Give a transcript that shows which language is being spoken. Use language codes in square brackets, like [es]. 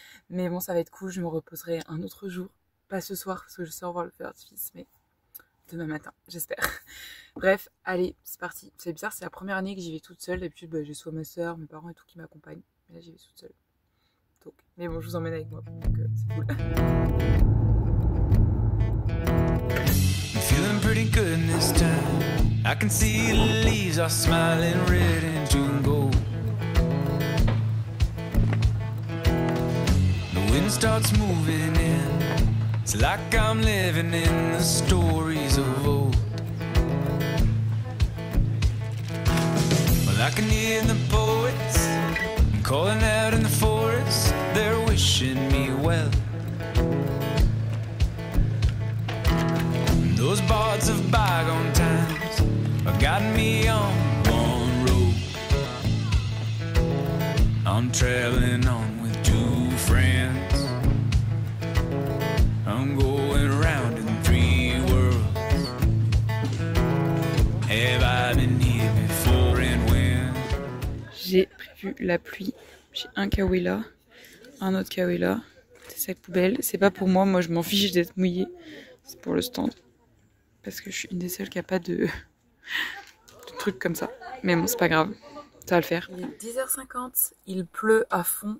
[fr] Mais bon, ça va être cool, je me reposerai un autre jour. Pas ce soir, parce que je sors voir le feu d'artifice, mais... demain matin, j'espère. Bref, allez, c'est parti. C'est bizarre, c'est la première année que j'y vais toute seule. D'habitude, bah, j'ai soit ma soeur, mes parents et tout qui m'accompagnent. Mais là, j'y vais toute seule. Donc, mais bon, je vous emmène avec moi. Donc, c'est cool. [en] I'm feeling pretty good this time. I can see the leaves are smiling red and June gold. The wind starts moving in. It's like I'm living in the stories of old. Well, I can hear the poets calling out in the forest. They're wishing me well. Those bards of bygone times have gotten me on one road. I'm trailing on with two friends. I'm going around in three worlds. Have I been here before and when? [fr] J'ai prévu la pluie. J'ai un kawaii là, un autre kawaii là. C'est sac poubelle. C'est pas pour moi. Moi, je m'en fiche d'être mouillée. C'est pour le stand. Parce que je suis une des seules qui a pas de trucs comme ça. Mais bon, c'est pas grave. Ça va le faire. Il est 10h50, il pleut à fond.